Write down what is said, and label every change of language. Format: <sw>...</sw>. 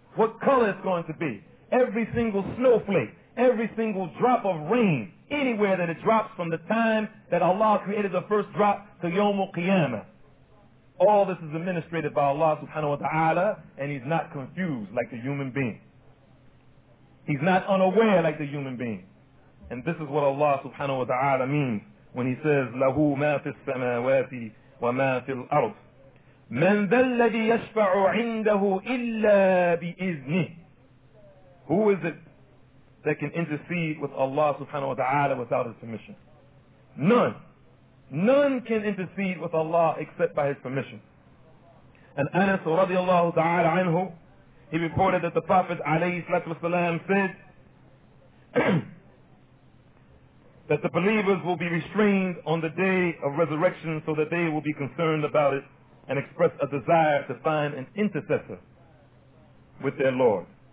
<en>What color it's going to be. Every single snowflake. Every single drop of rain. Anywhere that it drops from the time that Allah created the first drop to Yawmul Qiyamah. All this is administrated by Allah subhanahu wa ta'ala, and he's not confused like the human being. He's not unaware like the human being. And this is what Allah subhanahu wa ta'ala means when he says,</en> <ar>لَهُ مَا فِي السَّمَاوَاتِ وَمَا فِي الْأَرْضِ مَنْ ذَا الَّذِي يَشْفَعُ عِنْدَهُ إِلَّا بِإِذْنِهِ.</ar> <en>Who is it that can intercede with Allah subhanahu wa ta'ala without his permission? None. None can intercede with Allah except by his permission. And Anas radiallahu ta'ala anhu, he reported that the Prophet alayhi salatu wasalam said that the believers will be restrained on the day of resurrection so that they will be concerned about it and express a desire to find an intercessor with their Lord.</en>